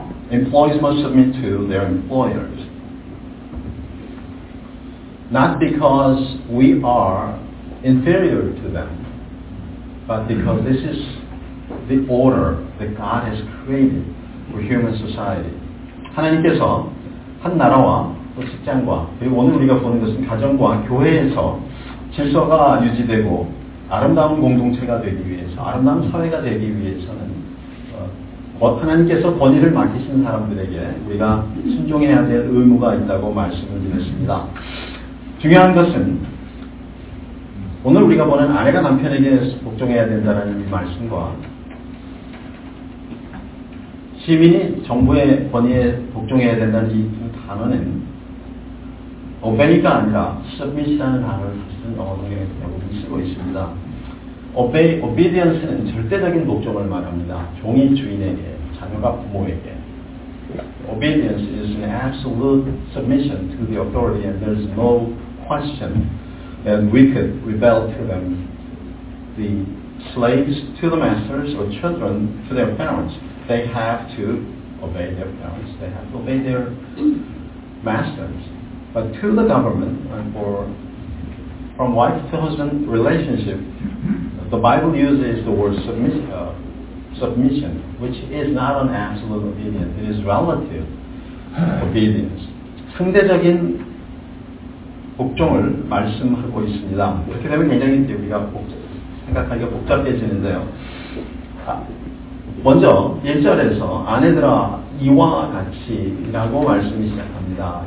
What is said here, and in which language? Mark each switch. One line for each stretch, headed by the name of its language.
English: Employees must submit to their employers. Not because we are inferior to them, but because this is the order that God has created for human society.
Korean: 하나님께서 한 나라와 또 직장과 그리고 오늘 우리가 보는 것은 가정과 교회에서 질서가 유지되고 아름다운 공동체가 되기 위해서 아름다운 사회가 되기 위해서는 하나님께서 권위를 맡기신 사람들에게 우리가 순종해야 될 의무가 있다고 말씀을 드렸습니다. 중요한 것은 오늘 우리가 보는 아내가 남편에게 복종해야 된다는 이 말씀과 시민이 정부의 권위에 복종해야 된다는 이 두 단어는 obey가 아니라 submit이라는 단어를 쓰는 언어라고 쓰고 있습니다. obedience는 절대적인 복종을 말합니다. 종이 주인에게, 자녀가 부모에게.
English: obedience is an absolute submission to the authority and there's no question that we could rebel to them. The slaves to the masters or children to their parents. They have to obey their parents. They have to obey their masters. But to the government, and for from wife to husband relationship, the Bible uses the word submission, which is not an absolute obedience. It is relative obedience.
Korean: 상대적인 복종을 말씀하고 있습니다. 이렇게 되면 굉장히 우리가 생각하기가 복잡해지는데요. 먼저 1절에서 아내들아 이와 같이 라고 말씀이 시작합니다.